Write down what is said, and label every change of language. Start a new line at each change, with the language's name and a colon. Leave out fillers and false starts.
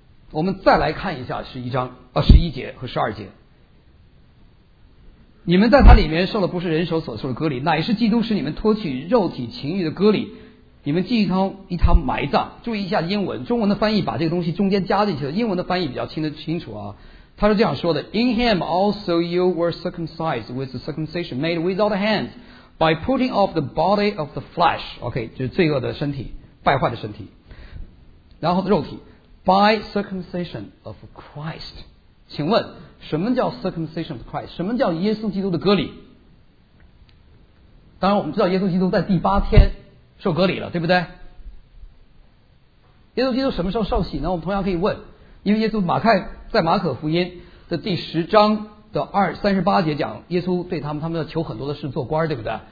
Chinese: 我们再来看一下十一节和十二节，你们在他里面受了不是人手所受的割礼，乃是基督使你们脱去肉体情欲的割礼，你们既一同埋葬。注意一下英文，中文的翻译把这个东西中间加进去了，英文的翻译比较听得清楚啊。
English: 他是这样说的， In him also you were circumcised with the circumcision made without hands by putting off the body of the flesh， OK，
Chinese: 就是罪恶的身体，败坏的身体，然后肉体，
English: by circumcision of Christ。
Chinese: 请问什么叫
English: circumcision of Christ，
Chinese: 什么叫耶稣基督的割礼？当然我们知道耶稣基督在第八天受割礼了，对不对？耶稣基督什么时候受洗呢？我们同样可以问，因为耶稣在马可福音的第十章的38节讲，耶稣对他们要求很多的事做官，对不对？